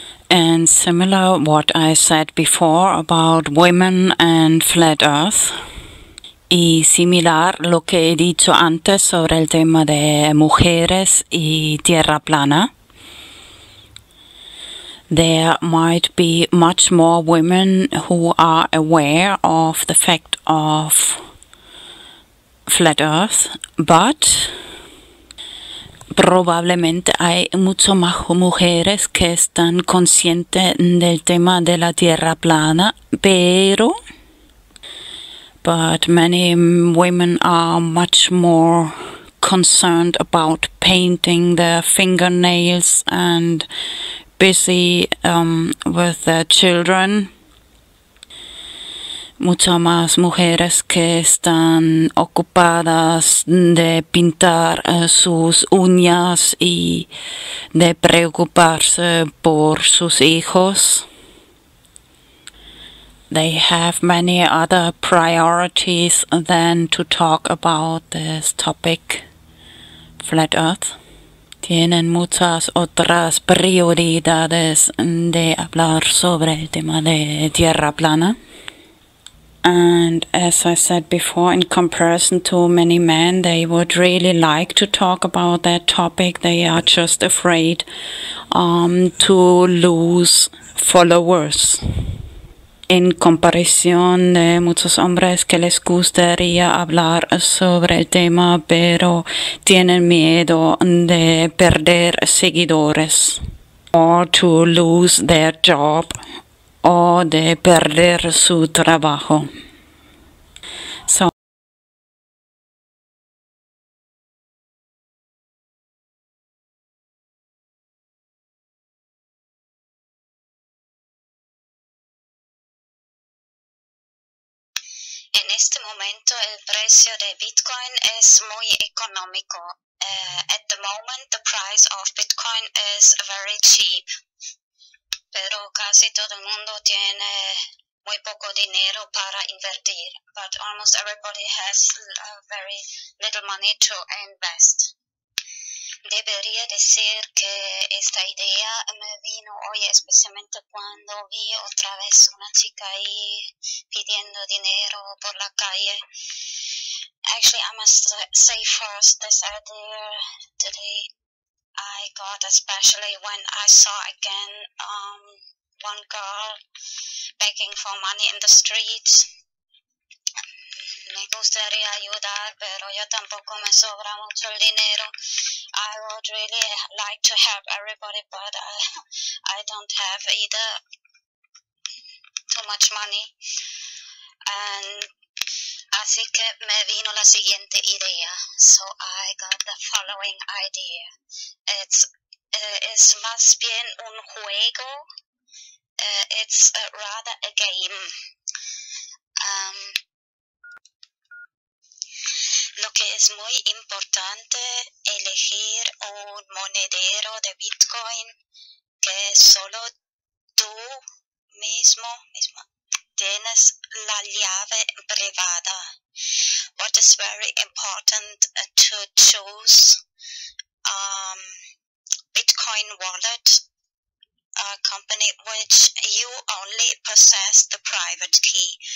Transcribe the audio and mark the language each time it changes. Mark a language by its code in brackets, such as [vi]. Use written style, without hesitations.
[en] And similar what I said before about women and flat earth. [es] Y similar lo que he dicho antes sobre el tema de mujeres y tierra plana. [en] There might be much more women who are aware of the fact of flat earth, but [es] probablemente hay mucho más mujeres que están conscientes del tema de la tierra plana, pero [en] but many women are much more concerned about painting their fingernails and busy with their children. [es] Muchas más mujeres que están ocupadas de pintar sus uñas y de preocuparse por sus hijos. [en] They have many other priorities than to talk about this topic, flat earth. [es] Tienen muchas otras prioridades de hablar sobre el tema de tierra plana. [en] And as I said before, in comparison to many men, they would really like to talk about that topic. They are just afraid to lose followers. [es] En comparación de muchos hombres que les gustaría hablar sobre el tema, pero tienen miedo de perder seguidores, [en] or to lose their job, [es] o de perder su trabajo. En este momento el precio de Bitcoin es muy económico. [en] At the moment the price of Bitcoin is very cheap. [es] Pero casi todo el mundo tiene muy poco dinero para invertir. [en] But almost everybody has very little money to invest. [es] Debería decir que esta idea me vino hoy especialmente cuando vi otra vez una chica ahí pidiendo dinero por la calle. [en] Actually, I must say first this idea today I got especially when I saw again one girl begging for money in the streets. [es] Me gustaría ayudar, pero yo tampoco me sobra mucho el dinero. [en] I would really like to help everybody, but I don't have either too much money. [es] And así que me vino la siguiente idea. [en] So I got the following idea. It's [es] más bien un juego. [en] It's rather a game. [es] Lo que es muy importante elegir un monedero de Bitcoin que solo tú mismo tienes la llave privada. [en] What is very important to choose Bitcoin wallet, a company which you only possess the private key.